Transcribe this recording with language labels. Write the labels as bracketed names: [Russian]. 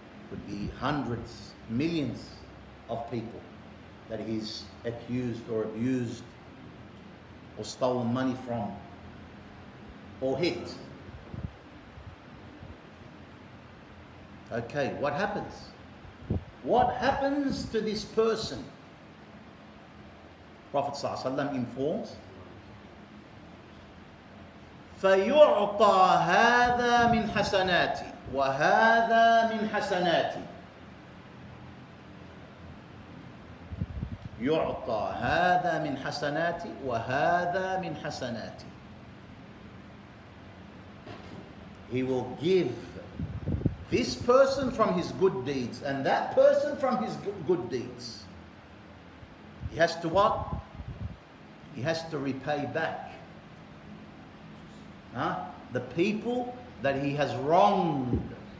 [English] Could be hundreds, millions of people that he's accused or abused or stolen money from or hit. Okay, what happens? What happens to this person? Prophet sallallahu alaihi wasallam informs, [Arabic] فَيُعْطَى هَذَا مِنْ حَسَنَاتِ وَهَذَا مِنْ حَسَنَاتِ يُعْطَى هَذَا مِنْ حَسَنَاتِ وَهَذَا مِنْ حَسَنَاتِ. [English] He will give this person from his good deeds and that person from his good deeds. He has to what? He has to repay back the people that he has wronged.